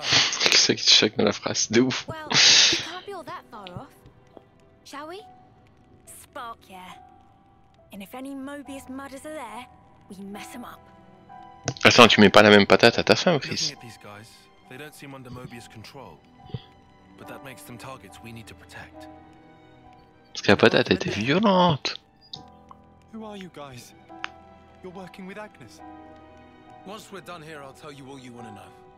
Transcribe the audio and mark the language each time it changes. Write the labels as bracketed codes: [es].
[fr] Qu'est-ce qui te choque dans la phrase de ouf? [en] Well, we can't be all that far off, shall we? Spark, yeah. And if any Mobius mudders are there, we mess them up. [fr] Attends, tu mets pas la même patate à ta femme, Chris. [en] Looking at these guys, they don't seem under Mobius control. But that makes them targets we need to protect. [fr] Parce que la patate était violente. [en] Who are you guys? You're working with Agnes. Once we're done here, I'll tell you all you want to know.